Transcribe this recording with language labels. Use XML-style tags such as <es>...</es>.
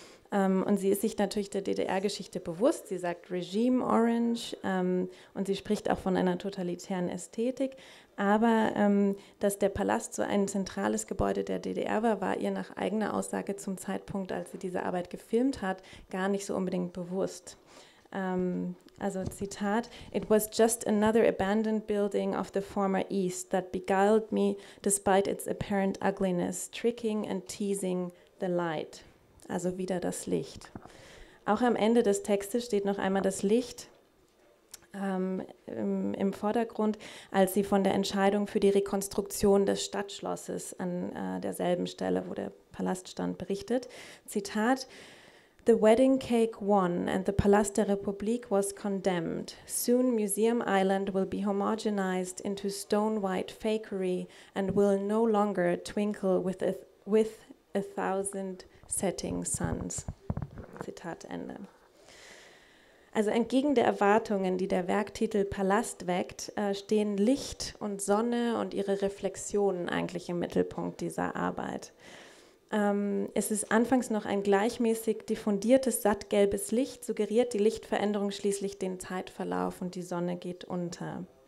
<de>Und sie ist sich natürlich der DDR-Geschichte bewusst. Sie sagt Regime Orange und sie spricht auch von einer totalitären Ästhetik. Aber dass der Palast so ein zentrales Gebäude der DDR war, war ihr nach eigener Aussage zum Zeitpunkt, als sie diese Arbeit gefilmt hat, gar nicht so unbedingt bewusst. Also Zitat,</de> <en>it was just another abandoned building of the former East that beguiled me despite its apparent ugliness, tricking and teasing the light.</en> <de>Also wieder das Licht. Auch am Ende des Textes steht noch einmal das Licht im Vordergrund, als sie von der Entscheidung für die Rekonstruktion des Stadtschlosses an derselben Stelle, wo der Palast stand, berichtet.</de> <en>Zitat, the wedding cake won and the Palast der Republik was condemned. Soon Museum Island will be homogenized into stone white fakery and will no longer twinkle with a thousand Setting Suns.</en> <de>Zitat Ende. Also entgegen der Erwartungen, die der Werktitel Palast weckt, stehen Licht und Sonne und ihre Reflexionen eigentlich im Mittelpunkt dieser Arbeit. Es ist anfangs noch ein gleichmäßig diffundiertes, sattgelbes Licht, suggeriert die Lichtveränderung schließlich den Zeitverlauf und die Sonne geht unter.</de>